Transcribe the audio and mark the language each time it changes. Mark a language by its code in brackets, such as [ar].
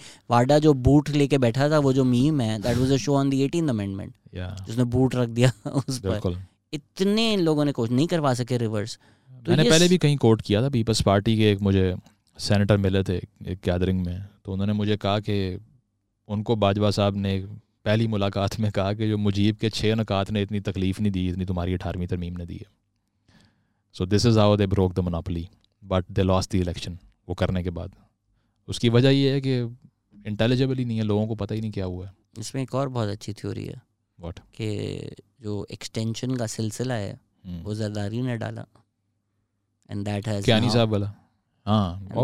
[ur] واڈا جو بوٹ لے کے بیٹھا تھا وہ جو میم ہے, that was a show on the 18th amendment جس نے بوٹ رکھ دیا اس پر, اتنے لوگوں نے کوشش نہیں کروا سکے ریورس. میں نے پہلے بھی کہیں کوٹ کیا تھا, پیپلز پارٹی کے ایک مجھے سینیٹر ملے تھے ایک گیدرنگ میں, تو انہوں نے مجھے کہا کہ ان کو باجوا صاحب نے پہلی ملاقات میں کہا کہ جو مجیب کے 6 نکات نے اتنی تکلیف نہیں دی جتنی تمہاری 18th ترمیم نے دی ہے. [en] So this is how they broke the monopoly but they lost the election. [ur] وہ کرنے کے بعد اس کی وجہ یہ ہے کہ انٹیلیجبل ہی نہیں ہے, لوگوں کو پتہ ہی نہیں کیا ہوا ہے. اس میں ایک اور بہت اچھی تھیوری ہے, [en] what [ur] کہ جو ایکسٹینشن کا سلسلہ ہے وہ زرداری نے ڈالا, اینڈ دیٹ ہیز کیانی صاحب والا. ہاں